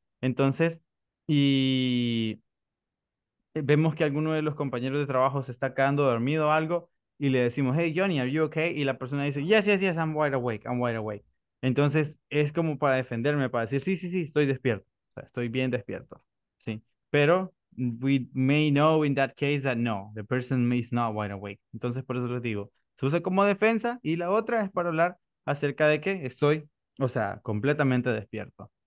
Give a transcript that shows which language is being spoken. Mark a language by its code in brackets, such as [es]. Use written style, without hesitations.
[es] Entonces, y vemos que alguno de los compañeros de trabajo se está quedando dormido o algo, y le decimos, [en] hey, Johnny, are you okay? [es] Y la persona dice, [en] yes, yes, yes, I'm wide awake. [es] Entonces, es como para defenderme, para decir, sí, sí, sí, estoy despierto. O sea, estoy bien despierto, ¿sí? [en] Pero we may know in that case that no, the person is not wide awake. [es] Entonces, por eso les digo, se usa como defensa, y la otra es para hablar acerca de que estoy, o sea, completamente despierto.